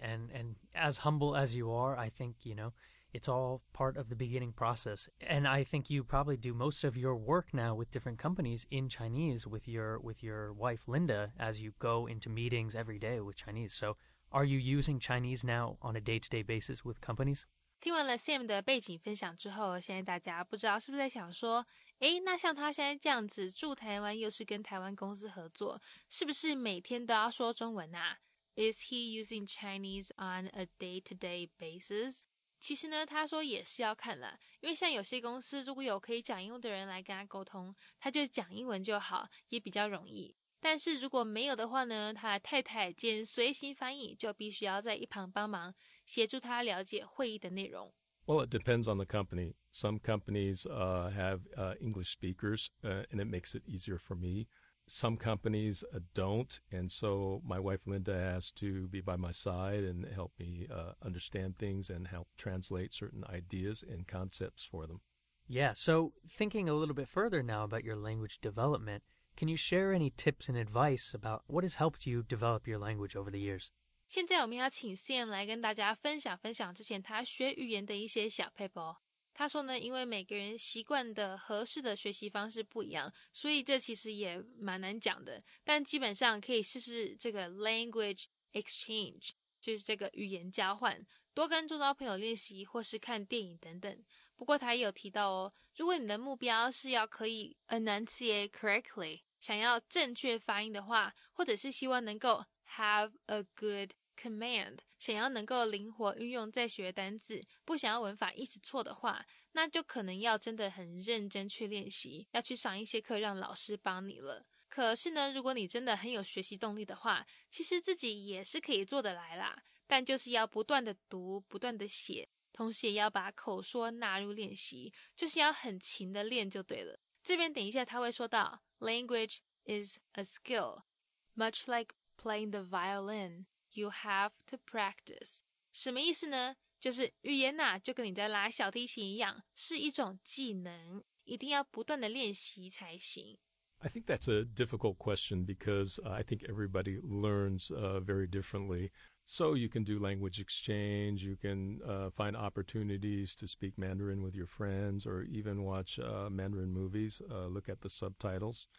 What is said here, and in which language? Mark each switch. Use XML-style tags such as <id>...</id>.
<en>And as humble as you are, I think, you know, it's all part of the beginning process. And I think you probably do most of your work now with different companies in Chinese with your wife, Linda, as you go into meetings every day with Chinese. So are you using Chinese now on a day-to-day basis with companies?</en> <zh>听完了 Sam 的背景分享之后，现在大家不知道是不是在想说，诶，那像他现在这样子住台湾又是跟台湾公司合作，是不是每天都要说中文啊？</zh> <en>Is he using Chinese on a day-to-day basis?</en> <zh>其实呢，他说也是要看了，因为像有些公司如果有可以讲英文的人来跟他沟通，他就讲英文就好，也比较容易。但是如果没有的话呢，他的太太兼随行翻译就必须要在一旁帮忙，协助他了解会议的内容。</zh> <en>Well, it depends on the company. Some companies have English speakers, and it makes it easier for me. Some companies don't, and so my wife Linda has to be by my side and help me understand things and help translate certain ideas and concepts for them. Yeah, so thinking a little bit further now about your language development, can you share any tips and advice about what has helped you develop your language over the years?</en> <zh>现在我们要请 Sam 来跟大家分享分享之前他学语言的一些小撇步。他说呢，因为每个人习惯的合适的学习方式不一样，所以这其实也蛮难讲的。但基本上可以试试这个</zh> <en>language exchange，</en> <zh>就是这个语言交换，多跟周遭朋友练习，或是看电影等等。不过他也有提到哦，如果你的目标是要可以</zh> <en>enunciate correctly，</en> <zh>想要正确发音的话，或者是希望能够</zh> <en>have a good command。</en> <zh>想要能够灵活运用在学单字，不想要文法一直错的话，那就可能要真的很认真去练习，要去上一些课让老师帮你了。可是呢，如果你真的很有学习动力的话，其实自己也是可以做得来啦，但就是要不断的读，不断的写，同时也要把口说纳入练习，就是要很勤的练就对了。这边等一下他会说到</zh> <en>Language is a skill. Much like playing the violin, you have to practice.</en> <zh>什么意思呢？就是语言啊，就跟你在拉小提琴一样，是一种技能，一定要不断的练习才行。</zh> <en>I think that's a difficult question because I think everybody learns very differently. So you can do language exchange, you can find opportunities to speak Mandarin with your friends or even watch Mandarin movies, look at the subtitles.</en>